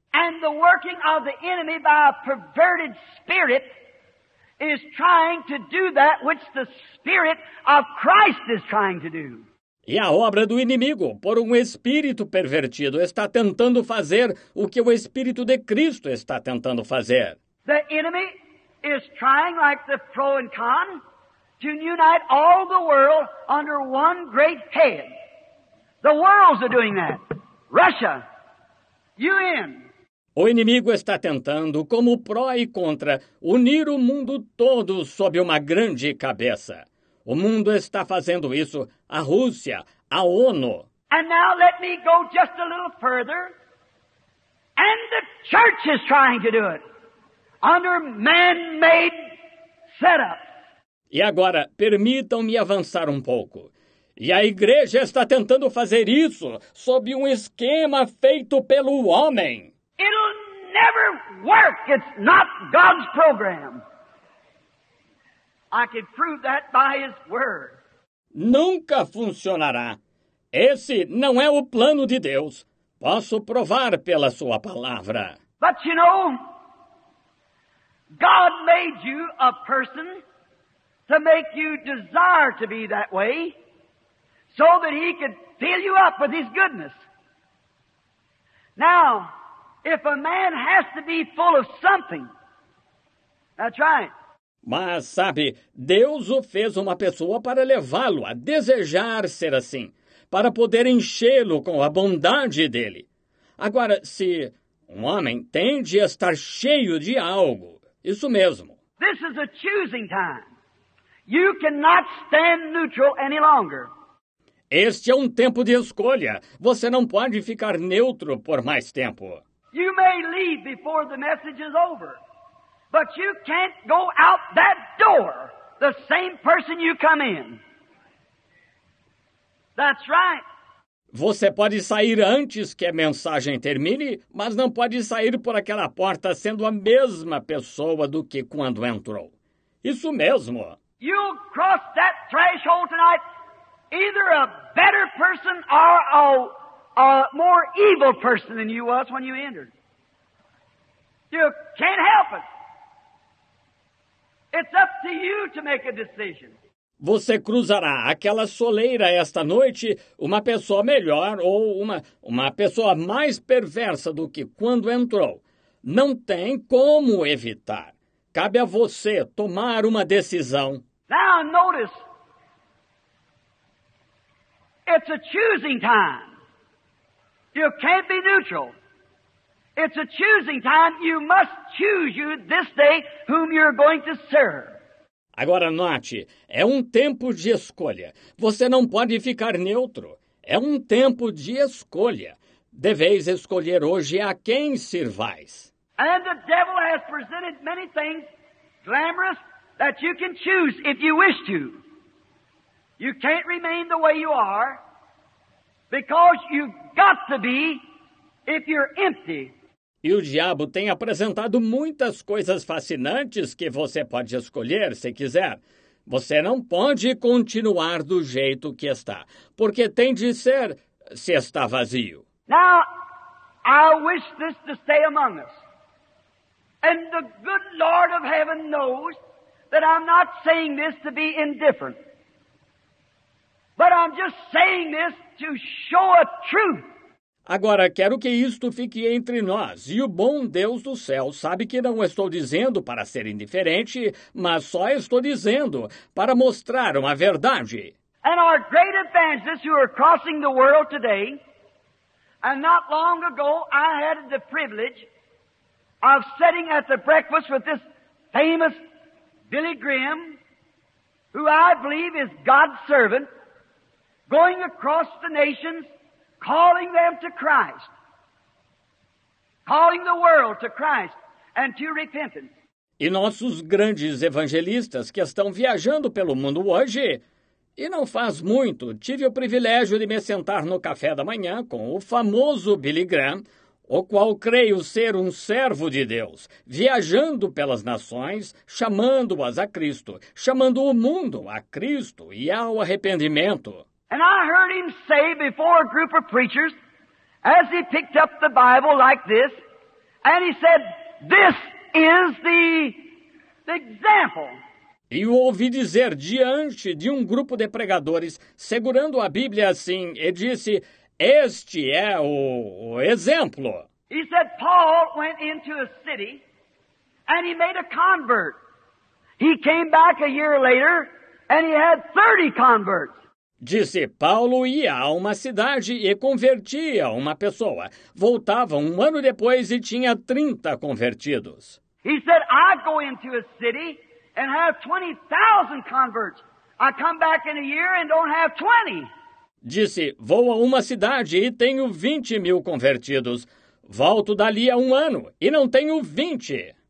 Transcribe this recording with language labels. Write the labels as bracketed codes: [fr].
[en] And the working of the enemy by a perverted spirit is trying to do that which the Spirit of Christ is trying to do. [pt] E a obra do inimigo, por um espírito pervertido, está tentando fazer o que o Espírito de Cristo está tentando fazer. [en] The enemy is trying, like the pro and con, to unite all the world under one great head. The worlds are doing that. Russia, UN. [pt] O inimigo está tentando, como pró e contra, unir o mundo todo sob uma grande cabeça. O mundo está fazendo isso, a Rússia, a ONU. [en] And now let me go just a little further. And the church is trying to do it. Under man-made setup. [pt] E agora, permitam-me avançar um pouco. E a igreja está tentando fazer isso sob um esquema feito pelo homem. [en] It'll never work. It's not God's program. I could prove that by his word. [pt] Nunca funcionará. Esse não é o plano de Deus. Posso provar pela sua palavra. [en] But you know, God made you a person to make you desire to be that way, so that he could fill you up with his goodness. Now, if a man has to be full of something, that's right. [pt] Mas, sabe, Deus o fez uma pessoa para levá-lo a desejar ser assim, para poder enchê-lo com a bondade dele. Agora, se um homem tem de estar cheio de algo, isso mesmo. [en] This is a choosing time. You cannot stand neutral any longer. [pt] Este é um tempo de escolha. Você não pode ficar neutro por mais tempo. [en] You may leave before the message is over. But you can't go out that door the same person you come in. That's right. [pt] Você pode sair antes que a mensagem termine, mas não pode sair por aquela porta sendo a mesma pessoa do que quando entrou. Isso mesmo. [en] You'll cross that threshold tonight either a better person or a more evil person than you was when you entered. You can't help it. It's up to you to make a decision. [pt] Você cruzará aquela soleira esta noite, uma pessoa melhor ou uma pessoa mais perversa do que quando entrou. Não tem como evitar. Cabe a você tomar uma decisão. [en] Now notice, it's a choosing time. You can't be neutral. It's a choosing time. You must choose you this day whom you're going to serve. [pt] Agora note, é um tempo de escolha. Você não pode ficar neutro. É um tempo de escolha. Deveis escolher hoje a quem servais. [en] And the devil has presented many things glamorous that you can choose if you wish to. You can't remain the way you are because you've got to be if you're empty. [pt] E o diabo tem apresentado muitas coisas fascinantes que você pode escolher, se quiser. Você não pode continuar do jeito que está, porque tem de ser se está vazio. [en] Now, I wish this to stay among us. And the good Lord of heaven knows that I'm not saying this to be indifferent. But I'm just saying this to show a truth. [pt] Agora, quero que isto fique entre nós, e o bom Deus do céu sabe que não estou dizendo para ser indiferente, mas só estou dizendo para mostrar uma verdade. [en] And our great evangelists who are crossing the world today, and not long ago I had the privilege of sitting at the breakfast with this famous Billy Graham, who I believe is God's servant, going across the nations, calling them to Christ, calling the world to Christ and to repentance. [pt] E nossos grandes evangelistas que estão viajando pelo mundo hoje, e não faz muito, tive o privilégio de me sentar no café da manhã com o famoso Billy Graham, o qual creio ser um servo de Deus, viajando pelas nações, chamando-as a Cristo, chamando o mundo a Cristo e ao arrependimento. [en] And I heard him say before a group of preachers, as he picked up the Bible like this, and he said, "This is the example." [pt] E o ouvi dizer diante de um grupo de pregadores, segurando a Bíblia assim, e disse, "Este é o exemplo." [en] He said, "Paul went into a city, and he made a convert. He came back a year later, and he had 30 converts." [pt] Disse, Paulo ia a uma cidade e convertia uma pessoa. Voltava um ano depois e tinha 30 convertidos. [en] He said, "I go into a city and have 20,000 converts. I come back in a year and don't have 20. [pt] Disse, vou a uma cidade e tenho 20 mil convertidos. Volto dali a um ano e não tenho 20.